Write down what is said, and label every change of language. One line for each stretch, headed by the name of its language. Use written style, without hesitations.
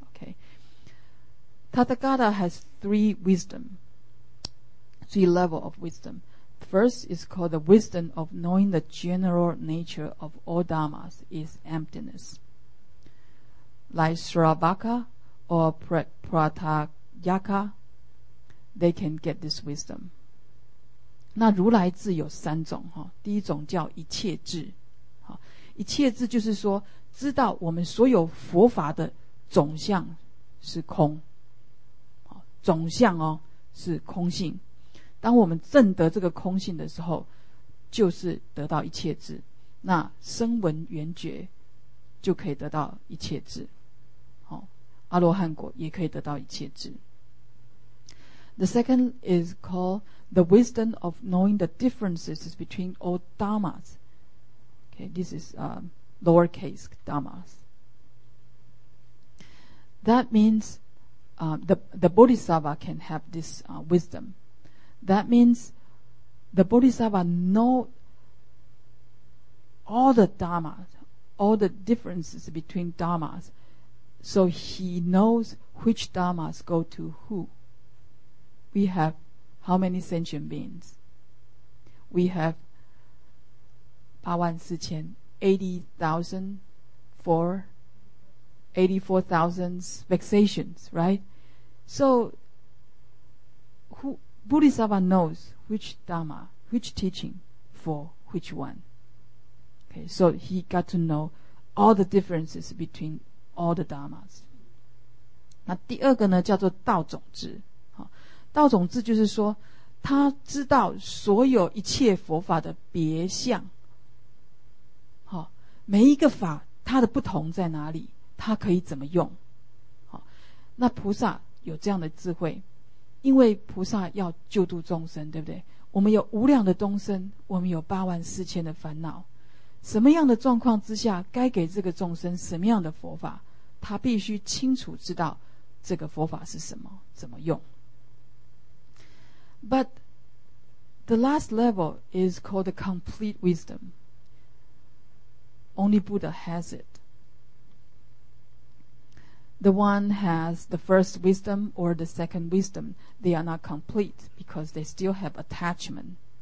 English: OK, Tathagata has three wisdom, three level of wisdom. First is called the wisdom of knowing the general nature of all dhammas is emptiness, like Sravaka or Pratyaka. They can get this wisdom.
Chinese: 那如来智有三种，第一种叫一切智。一切智就是说知道我们所有佛法的总相是空，总相哦是空性。当我们证得这个空性的时候，就是得到一切智，那声闻缘觉就可以得到一切智，阿罗汉果也可以得到一切智。
English: The second is called the wisdom of knowing the differences between all dhammas. Okay, this is lowercase dhammas. That means the Bodhisattva can have this wisdom. That means the Bodhisattva know all the Dhammas, all the differences between Dhammas, so he knows which Dhammas go to who. We have how many sentient beings? We have 84,000 vexations, right? So who, Bodhisattva knows which Dhamma, which teaching for which one. Okay, so he got to know all the differences between all the Dhammas.
Chinese: 那第二个呢，叫做道种智。道种智就是说，他知道所有一切佛法的别相，每一个法它的不同在哪里，它可以怎么用。那菩萨有这样的智慧，因为菩萨要救度众生，对不对？我们有无量的众生，我们有84,000的烦恼，什么样的状况之下该给这个众生什么样的佛法，他必须清楚知道这个佛法是什么，怎么用。
English: But the last level is called the complete wisdom. Only Buddha has it. The one has the first wisdom or the second wisdom, they are not complete because they still have attachment.